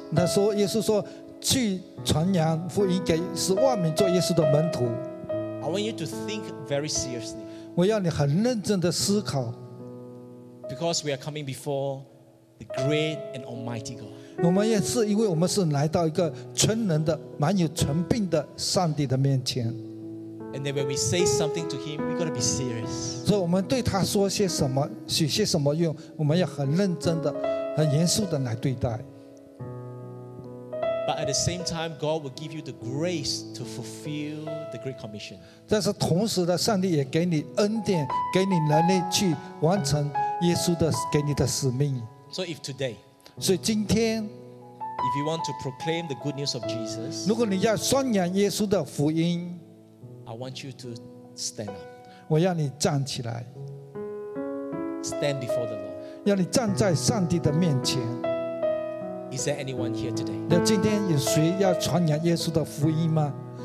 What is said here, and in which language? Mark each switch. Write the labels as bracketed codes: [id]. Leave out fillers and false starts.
[zh] 那说耶稣说。去传扬福音给使万民做耶稣的门徒。 [en] I want you to think very seriously. [zh] 我要你很认真的思考。 [en] Because we are coming before the great and almighty God. [zh] 我们也是因为我们是来到一个全能的、满有权柄的上帝的面前。 [en] And then when we say something to Him, we got to be serious. [zh] 所以我们对他说些什么、许些什么愿，我们要很认真的、很严肃的来对待。 [en] But at the same time, God will give you the grace to fulfill the Great Commission. [zh] 但是同时的，上帝也给你恩典，给你能力去完成耶稣的给你的使命。 [en] So if today, [zh] 所以今天 [en] ，if you want to proclaim the good news of Jesus, [zh] 如果你要宣扬耶稣的福音 [en] ，I want you to stand up. [zh] 我要你站起来 [en] ，stand before the Lord. [zh] 要你站在上帝的面前。 [en] Is there anyone here today? [zh] 那今天有谁要传扬耶稣的福音吗